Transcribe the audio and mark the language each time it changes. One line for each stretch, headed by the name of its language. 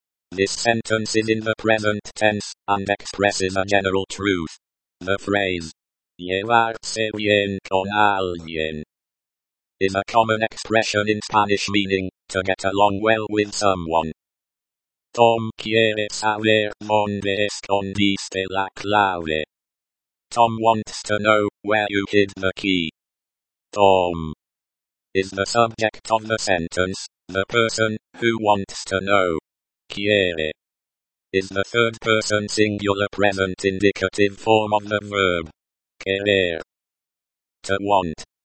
English: This sentence is in the present tense, and expresses a general truth. The phrase, llevarse bien con alguien, is a common expression in Spanish meaning, to get along well with someone.
Spanish: Tom quiere saber dónde escondiste la clave.
English: Tom wants to know where you hid the key. Tom is the subject of the sentence, the person who wants to know. Quiere is the third person singular present indicative form of the verb. Querer. To want.